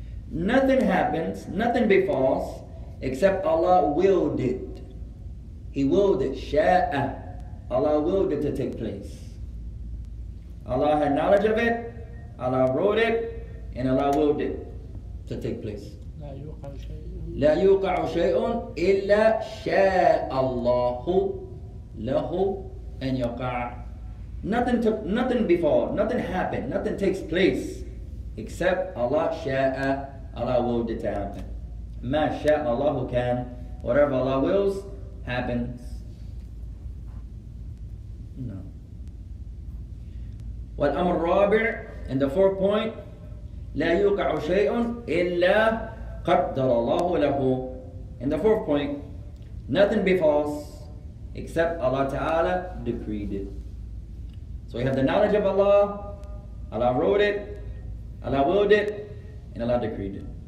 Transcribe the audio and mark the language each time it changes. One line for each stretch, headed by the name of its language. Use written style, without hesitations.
English: Nothing happens, nothing befalls, except Allah willed it. He willed it. شاء. Allah willed it to take place. Allah had knowledge of it, Allah wrote it, and Allah willed it to take place.
Arabic: لا يوقع شيء إلا شاء الله له أن يقع.
English: Nothing happened, nothing takes place except Allah شاء. Allah willed it to happen.
Arabic: ما شاء الله كان.
English: Whatever Allah wills happens. No.
Arabic: والأمر الرابع,
English: and the fourth point,
Arabic: لا يوقع شيء إلا قدر الله له.
English: In the fourth point, nothing befalls except Allah Ta'ala decreed it. So we have the knowledge of Allah, Allah wrote it, Allah willed it, and Allah decreed it.